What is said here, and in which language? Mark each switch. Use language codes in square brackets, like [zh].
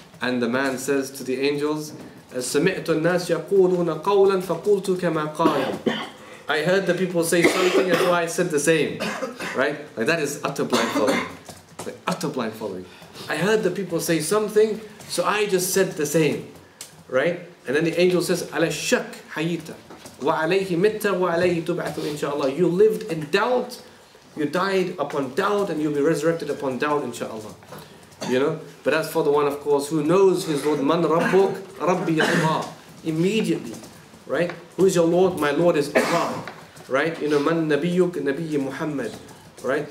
[en] And the man says to the angels, [ar] سَمِعْتُ النَّاسِ يَقُولُونَ قَوْلًا فَقُولْتُ كَمَا قَالُوا. [en] I heard the people say something, and so I said the same. Right? Like, that is utter blind following. Like, utter blind following. I heard the people say something, so I just said the same. Right? And then the angel says, [ar] عَلَى الشَّكْ حَيِّتَ وَعَلَيْهِ مِتَّ وَعَلَيْهِ تُبْعَثُ إِنْشَاءَ. [en] You lived in doubt, you died upon doubt, and you'll be resurrected upon doubt, inshaAllah. You know, but as for the one, of course, who knows his Lord, [ar] Man Rabbuk, Rabbi Allah, [en] immediately, right? Who is your Lord? My Lord is Allah, right? You know, [ar] Man Nabiyuk, Nabiyyi Muhammad, [en] right?